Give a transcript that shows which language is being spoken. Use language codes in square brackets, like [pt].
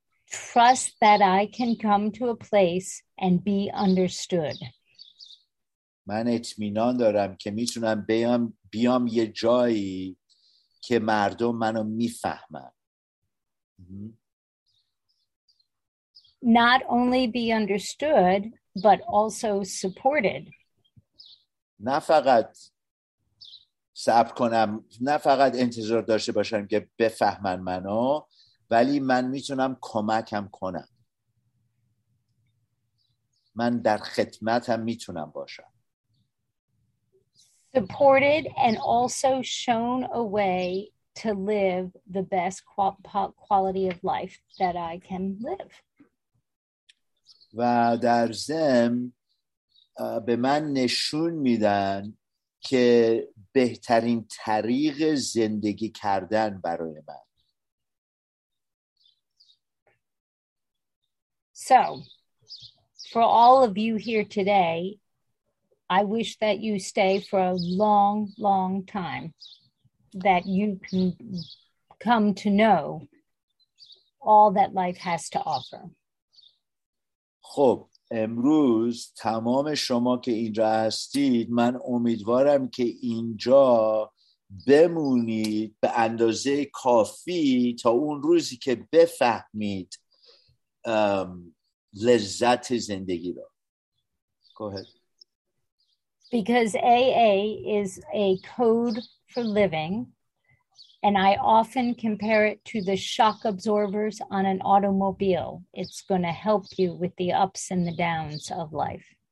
[en] Trust that I can come to a place and be understood. [fa] من اطمینان دارم که میتونم بیام یه جایی که مردم منو میفهمن. Not only be understood, but also supported. نه فقط صبر کنم، نه فقط انتظار داشته باشم که بفهمن منو، ولی من میتونم کمکم کنم، من در خدمتم میتونم باشم. [en] Supported and also shown a way to live the best quality of life that I can live. [fa] و در ضمن به من نشون میدن که بهترین طریق زندگی کردن برای من. [en] So, for all of you here today, I wish that you stay for a long, long time, that you can come to know all that life has to offer. [fa] خب امروز تمام شما که اینجا هستید، من امیدوارم که اینجا بمونید به اندازه کافی تا اون روزی که بفهمید لذت زندگی را. [en] Go ahead. Because AA is a code for living, and I often compare it to the shock absorbers on an automobile. It's going to help you with the ups and the downs of life.